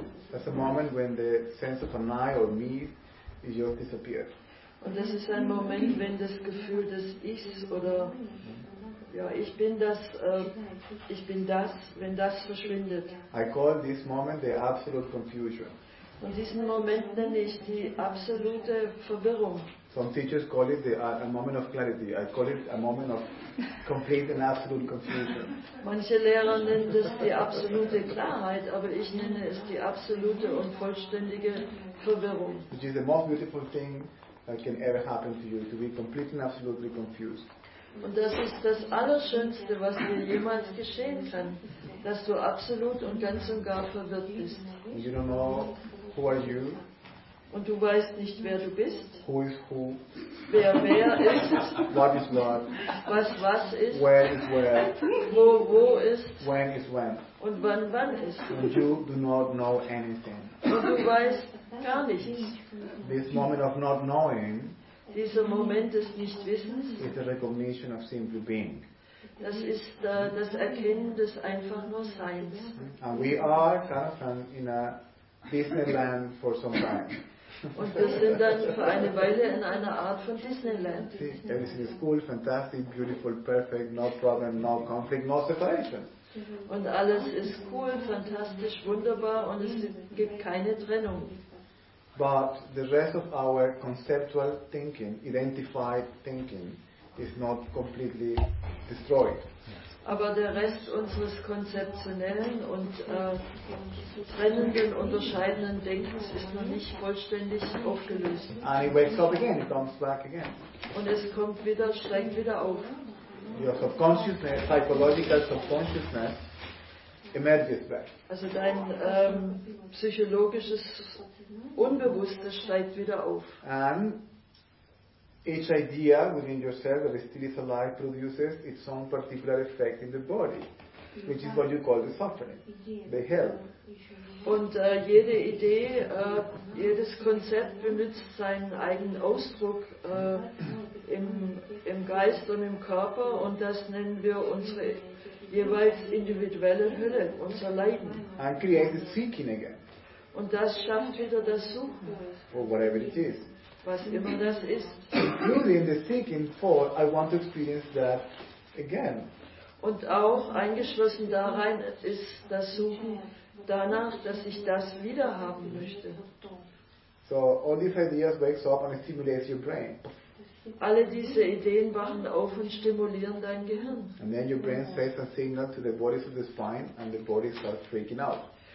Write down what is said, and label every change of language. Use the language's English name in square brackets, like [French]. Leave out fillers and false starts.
[English] That's a moment when the sense of an I or me is just disappeared. [German] Und das ist ein Moment, wenn das Gefühl des Ichs oder Ja, ich bin das, wenn das verschwindet. [English] I call this moment the absolute confusion. [German] Und diesen Moment nenne ich die absolute Verwirrung. [English] Some teachers call it a moment of clarity. I call it a moment of complete and absolute confusion. [German] Manche Lehrer nennen das die absolute Klarheit, aber ich nenne es die absolute und vollständige Verwirrung. [English] Which is the most beautiful thing that can ever happen to you, to be completely and absolutely confused. [German] Und das ist das Allerschönste, was dir jemals geschehen kann, dass du absolut und ganz und gar verwirrt bist. [English] And you don't know who are you. [German] Und du weißt nicht, wer du bist. [English] Who is who? [German] Wer wer ist? [English] What is what? [German] Was was ist? [English] Where is where? [German] Wo wo ist? [English] When is when? [German] Und wann wann ist? [English] And you do not know anything. [German] Und du weißt gar nichts. [English] This moment of not knowing. [German] Dieser Moment des Nichtwissens. [English] Is a recognition of simply being. [German] Das ist das Erkennen des einfach nur Seins. [English] And we are kind of in a Disneyland for some time. [German] Und wir sind dann für eine Weile in einer Art von Disneyland. [English] See, everything is cool, fantastic, beautiful, perfect, no problem, no conflict, no separation. [German] Und alles ist cool, fantastisch, wunderbar und es gibt keine Trennung. [English] But the rest of our conceptual thinking, identified thinking, is not completely destroyed. [German] Aber der Rest unseres konzeptionellen und trennenden, unterscheidenden Denkens ist noch nicht vollständig aufgelöst. [English] And it wakes up again, it comes back again. [German] Und es kommt wieder, steigt wieder auf. [English] Your subconsciousness, psychological subconsciousness, emerges back. [German] Also dein psychologisches Unbewusstes steigt wieder auf. [English] And each idea within yourself that still is alive produces its own particular effect in the body, which is what you call the suffering, the hell. [German] Und jede Idee, jedes Konzept benutzt seinen eigenen Ausdruck im Geist und im Körper, und das nennen wir unsere jeweils individuelle Hölle, unser Leiden. [English] And create the seeking again. [German] Und das schafft wieder das Suchen. [English] For whatever it is. [German] Was immer das ist. [English] Including the seeking for, I want to experience that again. [German] Und auch eingeschlossen darin ist das Suchen danach, dass ich das wieder haben möchte. [English] So all these ideas wake up and stimulate your brain. [German] Alle diese Ideen wachen auf und stimulieren dein Gehirn. [English] And then your brain sends a signal to the bodies of the spine and the body starts freaking out.